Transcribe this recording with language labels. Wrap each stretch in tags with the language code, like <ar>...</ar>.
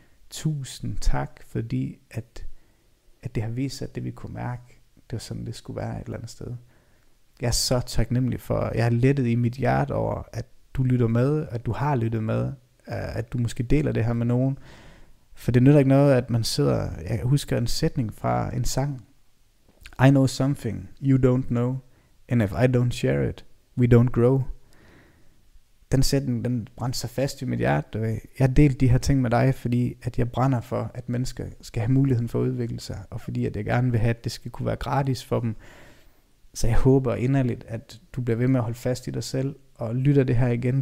<da>Tusind tak, fordi at det har vist sig, at det vi kunne mærke, det var sådan, det skulle være et eller andet sted. Jeg er så taknemmelig for, jeg har lettet i mit hjerte over, at du lytter med, at du har lyttet med, at du måske deler det her med nogen. For det nytter ikke noget, at man sidder, jeg husker en sætning fra en sang.</da> <en>I know something you don't know. And if I don't share it, we don't grow.</en> <da>Den sætning, den brænder sig fast i mit hjerte. Jeg har delt de her ting med dig, fordi at jeg brænder for, at mennesker skal have muligheden for at udvikle sig, og fordi at jeg gerne vil have, at det skal kunne være gratis for dem. Så jeg håber inderligt, at du bliver ved med at holde fast i dig selv, og lytter det her igen.</da>